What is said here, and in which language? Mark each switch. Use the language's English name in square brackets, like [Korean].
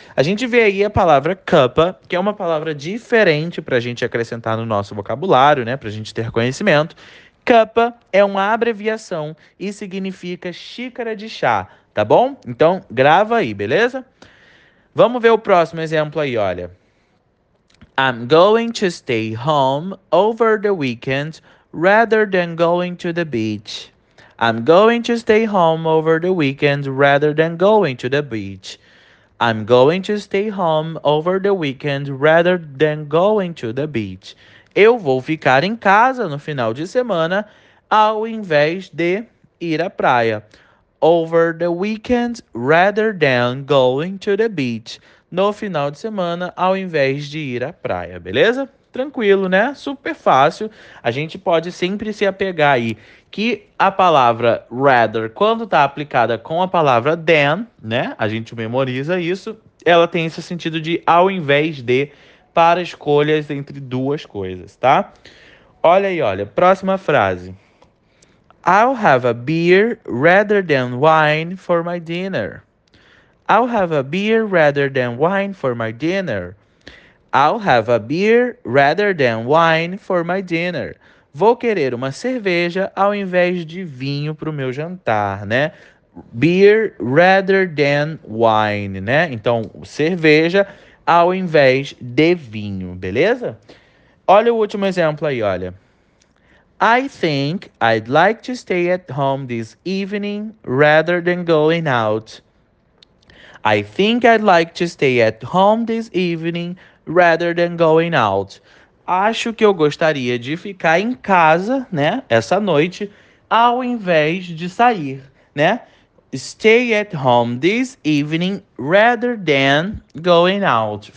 [Portuguese] A gente vê aí a palavra cuppa, que é uma palavra diferente para a gente acrescentar no nosso vocabulário, né? Para a gente ter conhecimento. Cuppa é uma abreviação e significa xícara de chá, tá bom? Então, grava aí, beleza? Vamos ver o próximo exemplo aí, olha. [English] I'm going to stay home over the weekend rather than going to the beach. I'm going to stay home over the weekend rather than going to the beach. I'm going to stay home over the weekend rather than going to the beach. [Portuguese] Eu vou ficar em casa no final de semana ao invés de ir à praia. [English] Over the weekend rather than going to the beach. [Portuguese] No final de semana ao invés de ir à praia, beleza? Tranquilo, né? Super fácil. A gente pode sempre se apegar aí que a palavra rather, quando está aplicada com a palavra than, né? A gente memoriza isso. Ela tem esse sentido de ao invés de para escolhas entre duas coisas, tá? Olha aí, olha. Próxima frase. [English] I'll have a beer rather than wine for my dinner. I'll have a beer rather than wine for my dinner. I'll have a beer rather than wine for my dinner. [Portuguese] Vou querer uma cerveja ao invés de vinho para o meu jantar, né? [English] Beer rather than wine, [Portuguese] né? Então, cerveja ao invés de vinho, beleza? Olha o último exemplo aí, olha. [English] I think I'd like to stay at home this evening rather than going out. I think I'd like to stay at home this evening rather than going out. [Portuguese] Acho que eu gostaria de ficar em casa, né, essa noite, ao invés de sair, né? [English] Stay at home this evening rather than going out.